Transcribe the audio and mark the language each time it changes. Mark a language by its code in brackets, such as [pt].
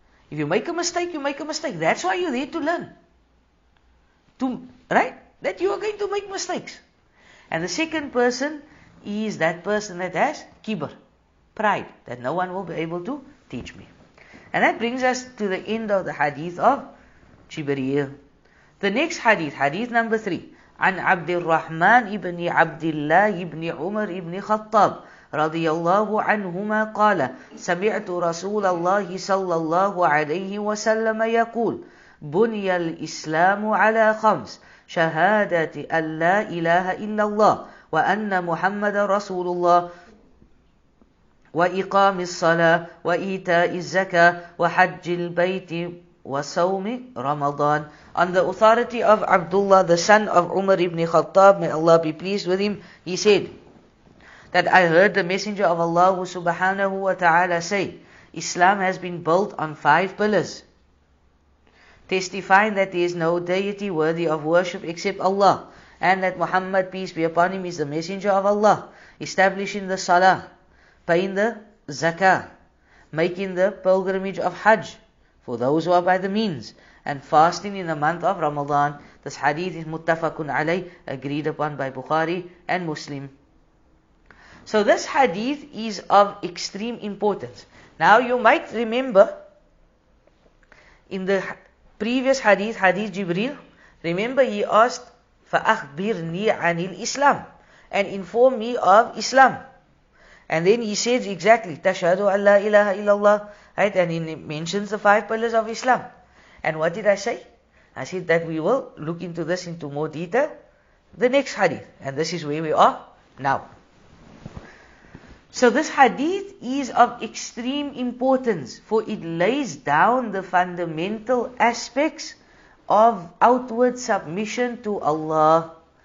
[en] If you make a mistake, you make a mistake. That's why you're there to learn. Right? That you are going to make mistakes. And the second person is that person that has kibr, pride, that no one will be able to teach me. And that brings us to the end of the hadith of Jibreel. The next hadith, hadith number 3, [ar] عن عبد الرحمن ابن عبد الله ابن عمر ابن خطاب رضي الله عنهما قال سمعت رسول الله صلى الله عليه وسلم يقول بني الإسلام على خمس شهادة أن لا إله إلا الله وأن محمد رسول الله وإقام الصلاة وإيتاء الزكاة وحج البيت وَصَوْمِ رَمَضَانِ. [en] On the authority of Abdullah, the son of Umar ibn Khattab, may Allah be pleased with him, he said that I heard the Messenger of Allah subhanahu wa ta'ala say, Islam has been built on 5 pillars, testifying that there is no deity worthy of worship except Allah, and that Muhammad, peace be upon him, is the Messenger of Allah, establishing the Salah, paying the Zakah, making the pilgrimage of Hajj for those who are by the means, and fasting in the month of Ramadan. This hadith is muttafaqun alayh, agreed upon by Bukhari and Muslim. So this hadith is of extreme importance. Now you might remember, in the previous hadith, hadith Jibreel, remember he asked, [ar] فَأَخْبِرْنِي عَنِ الْإِسْلَامِ, [en] and inform me of Islam. And then he says exactly, [ar] تَشْهَدُ أَنْ لَا إِلَهَ إِلَّا اللَّهِ. [en] Right? And he mentions the 5 pillars of Islam. And what did I say? I said that we will look into this into more detail the next hadith. And this is where we are now. So this hadith is of extreme importance, for it lays down the fundamental aspects of outward submission to Allah.